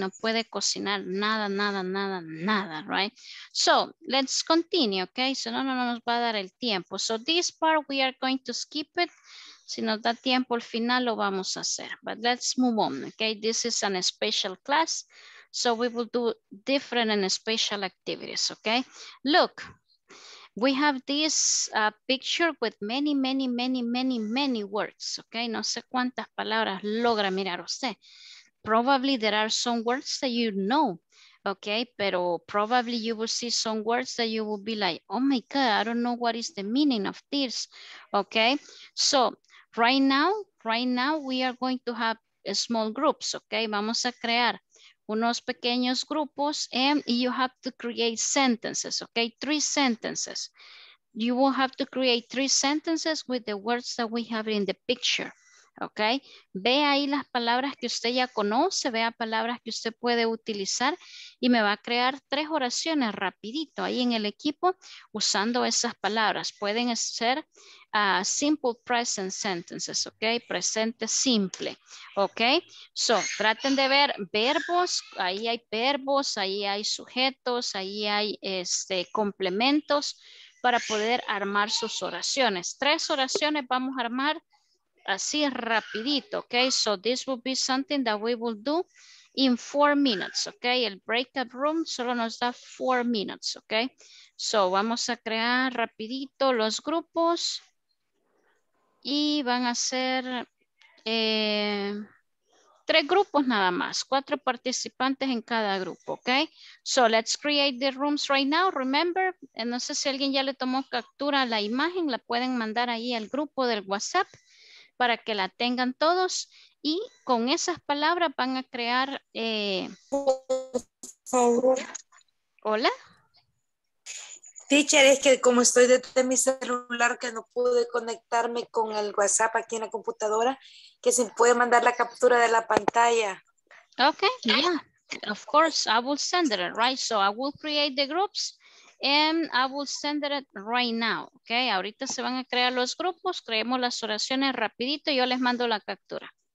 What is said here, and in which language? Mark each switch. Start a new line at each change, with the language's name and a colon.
Spanish: No puede cocinar nada, nada, nada, nada, right?
English: So, let's continue, okay?
Spanish: So, no nos va a dar el tiempo.
English: So, this part, we are going to skip it.
Spanish: Si nos da tiempo, al final lo vamos a hacer.
English: But let's move on, okay? This is an special class. So, we will do different and special activities, okay? Look, we have this picture with many, many, many, many, many words, okay?
Spanish: No sé cuántas palabras logra mirar usted.
English: Probably there are some words that you know, okay? Pero probably you will see some words that you will be like, oh my God, I don't know what is the meaning of this, okay? So right now we are going to have small groups, okay?
Spanish: Vamos a crear unos pequeños grupos
English: and you have to create sentences, okay? Three sentences. You will have to create three sentences with the words that we have in the picture.
Spanish: Ok, ve ahí las palabras que usted ya conoce, vea palabras que usted puede utilizar y me va a crear tres oraciones rapidito ahí en el equipo usando esas palabras. Pueden ser
English: simple present sentences,
Spanish: ok, presente simple, ok. So, traten de ver verbos, ahí hay sujetos, ahí hay complementos para poder armar sus oraciones. Tres oraciones vamos a armar. Así rapidito, okay?
English: So this will be something that we will do in 4 minutes, okay?
Spanish: El breakout room solo nos da
English: 4 minutes,
Spanish: okay? So vamos a crear rapidito los grupos y van a ser tres grupos nada más, cuatro participantes en cada grupo, okay?
English: So let's create the rooms right now, remember?
Spanish: And no sé si alguien ya le tomó captura la imagen, la pueden mandar ahí al grupo del WhatsApp. Para que la tengan todos y con esas palabras van a crear. Por favor. Hola. Teacher, es que como estoy desde mi celular que no pude conectarme con el WhatsApp aquí en la computadora, que se puede mandar la captura de la pantalla.
English: Okay, yeah, of course, I will send it, right? So I will create the groups and I will send it right now, okay?
Spanish: Ahorita se van a crear los grupos, creemos las oraciones rapidito y yo les mando la captura.